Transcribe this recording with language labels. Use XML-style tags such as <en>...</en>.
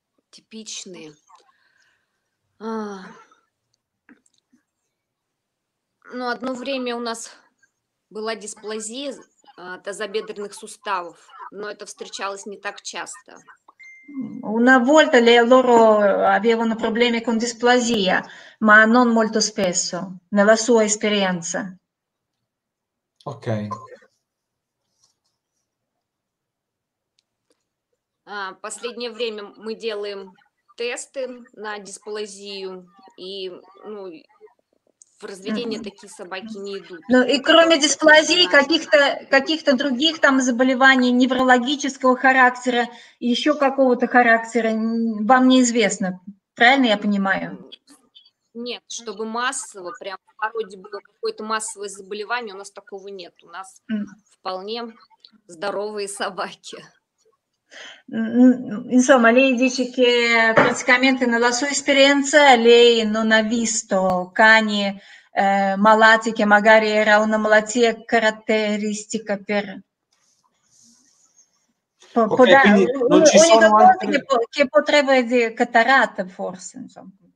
<ru>Типичные. Ну, одно время у нас была дисплазия тазобедренных суставов, но это встречалось не так часто.</ru> <it>Una volta le loro avevano problemi con displasia, ma non molto spesso, nella sua esperienza. Ok.</it> <ru>Последнее время мы делаем тесты на дисплазию и, ну, в разведение такие собаки не идут. Ну и кроме дисплазии, каких-то других там заболеваний неврологического характера, еще какого-то характера, вам неизвестно Правильно я понимаю? Нет, чтобы массово, прям в породе было какое-то массовое заболевание, у нас такого нет. У нас вполне здоровые собаки.</ru> <it>Insomma, lei dice che praticamente nella sua esperienza lei non ha visto cani malati che magari era una malattia caratteristica per... che potrebbe dire cataratta forse, insomma.</it>